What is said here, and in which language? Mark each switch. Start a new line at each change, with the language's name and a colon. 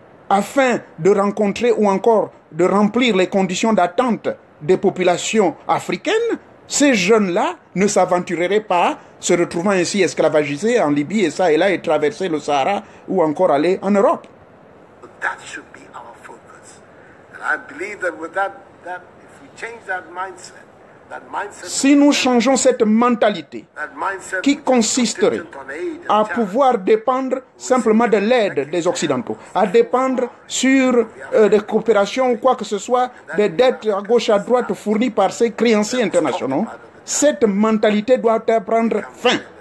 French: afin de rencontrer ou encore de remplir les conditions d'attente des populations africaines, ces jeunes-là ne s'aventureraient pas, se retrouvant ainsi esclavagisés en Libye et ça et là, et traverser le Sahara ou encore aller en Europe.
English: That should be our focus. And I believe that with that if we change that mindset,
French: si nous changeons cette mentalité qui consisterait à pouvoir dépendre simplement de l'aide des Occidentaux, à dépendre sur des coopérations ou quoi que ce soit, des dettes à gauche à droite fournies par ces créanciers internationaux, cette mentalité doit prendre fin